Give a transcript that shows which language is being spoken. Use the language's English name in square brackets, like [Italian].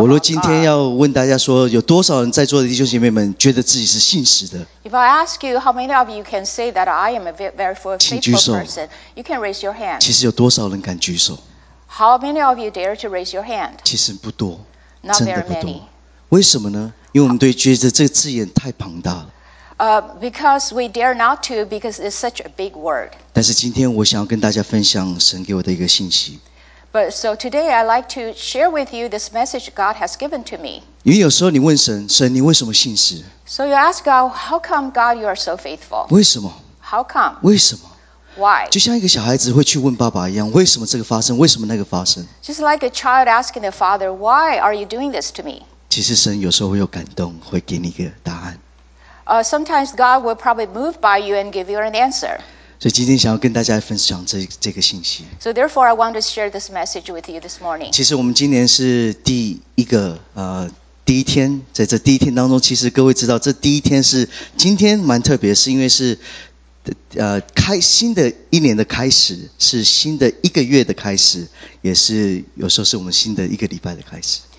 [Chinese] 我若今天要问大家说，有多少人在座的弟兄姐妹们觉得自己是信实的 [English] ？If I ask you how many of you can say that I am a very faithful person, [Chinese] 请举手。 [English] You can raise your hand. [Chinese] 其实有多少人敢举手 [English] ？How many of you dare to raise your hand? [Chinese] 其实不多， [English] Not very many. [Chinese] 真的不多。为什么呢？因为我们对觉得这个字眼太庞大了。 [English] Because we dare not to, because it's such a big word. [Chinese] 但是今天我想要跟大家分享神给我的一个信息。 [English] But so today I'd like to share with you this message God has given to me. [Chinese] 因为有时候你问神，神你为什么信实 [English] ？So you ask God, how come God you are so faithful? [Chinese] 为什么 [English] ？How come? [Chinese] 为什么 [English] ？Why? [Chinese] 就像一个小孩子会去问爸爸一样，为什么这个发生？为什么那个发生 [English] ？Just like a child asking the father, why are you doing this to me? [Chinese] 其实神有时候会有感动，会给你一个答案。 [English] Sometimes God will probably move by you and give you an answer. [Chinese] 所以今天想要跟大家分享这个信息。 [English] So therefore, I want to share this message with you this morning. [Chinese] 其实我们今年是第一个第一天，在这第一天当中，其实各位知道，这第一天是今天蛮特别，是因为是开新的一年的开始，是新的一个月的开始，也是有时候是我们新的一个礼拜的开始。